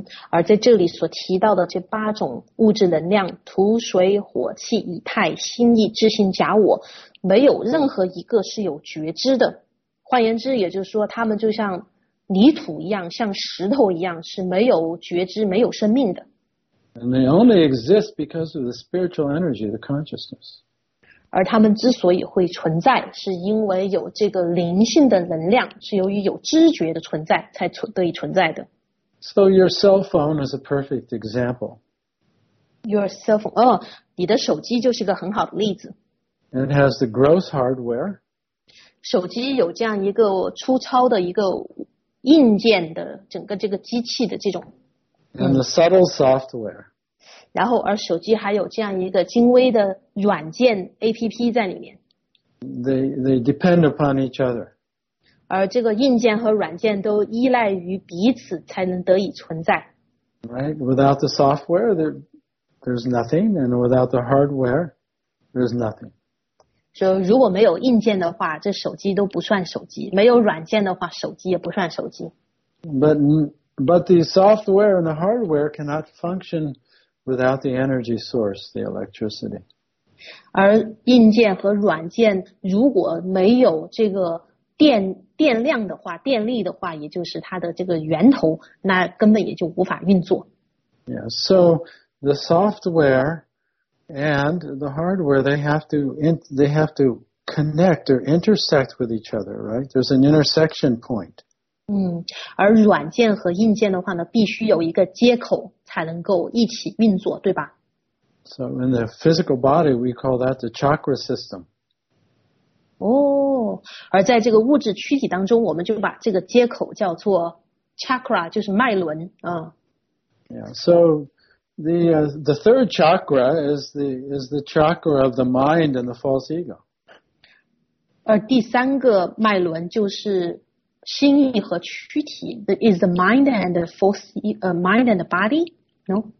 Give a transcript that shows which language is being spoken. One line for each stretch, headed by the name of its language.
Chinese: 而在这里所提到的这八种物质能量土水火气以太心意智性假我没有任何一个是有觉知的换言之也就是说他们就像泥土一样像石头一样是没有觉知没有生命的
English: And they only exist because of the spiritual energy the consciousness
Chinese: 而他们之所以会存在是因为有这个灵性的能量是由于有知觉的存在才得以存在的
English: So your cell phone is a perfect example. Your cell phone,
Chinese: 你的手机就是个很好的例子。
English: And it has the gross hardware.
Chinese: 手机有这样一个粗糙的一个硬件的整个这个机器的这种。
English: And the subtle software.
Chinese: 然后而手机还有这样一个精微的软件 APP 在里面。
English: They depend upon each other.
Chinese: 而这个硬件和软件都依赖于彼此才能得以存在。
English: Right, without the software, there's nothing, and without the hardware, there's nothing.
Chinese: So, 如果没有硬件的话，这手机都不算手机；没有软件的话，手机也不算手机。
English: But the software and the hardware cannot function without the energy source, the electricity.
Chinese: 而硬件和软件如果没有这个电量的话电力的话也就是它的这个源头那根本也就无法运作
English: Yeah, so the software and the hardware they have to connect or intersect with each other right there's an intersection point
Chinese: 而软件和硬件的话呢必须有一个接口才能够一起运作对吧
English: So in the physical body, we call that the chakra system.
Chinese: 哦，而在这个物质躯体当中，我们就把这个接口叫做 chakra， 就是脉轮啊。
English: Yeah. So the third chakra is the chakra of the mind and the false ego.
Chinese: 而第三个脉轮就是心意和躯体
English: is the mind and the false mind and the body. No.